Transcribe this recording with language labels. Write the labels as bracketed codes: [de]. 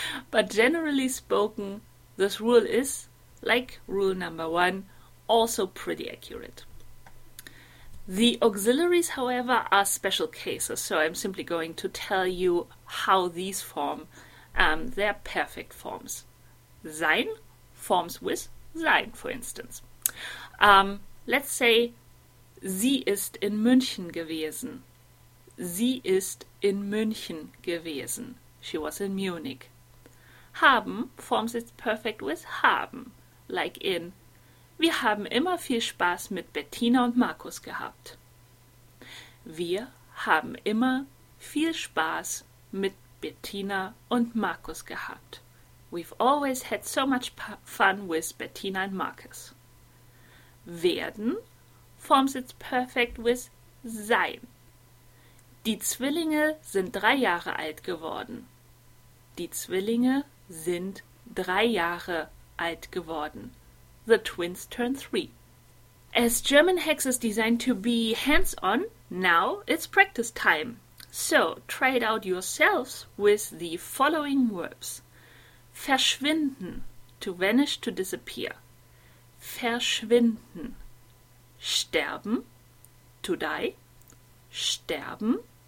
[en] But generally spoken, this rule is, like rule number one, also pretty accurate. The auxiliaries, however, are special cases, so I'm simply going to tell you how these form their perfect forms. Sein forms with sein, for instance. Let's say, [de] sie ist in München gewesen. Sie ist in München gewesen. [en] She was in Munich. Haben forms its perfect with haben, like in [de] wir haben immer viel Spaß mit Bettina und Markus gehabt. Wir haben immer viel Spaß mit Bettina und Markus gehabt. [en] We've always had so much fun with Bettina and Markus. Werden forms its perfect with sein. [de] Die Zwillinge sind 3 Jahre alt geworden. Die Zwillinge sind 3 Jahre alt geworden. [en] The twins turn 3. As German Hacks is designed to be hands-on, now it's practice time. So, try it out yourselves with the following verbs. Verschwinden, to vanish, to disappear. [de] Verschwinden. Sterben, [en] to die. [de] Sterben.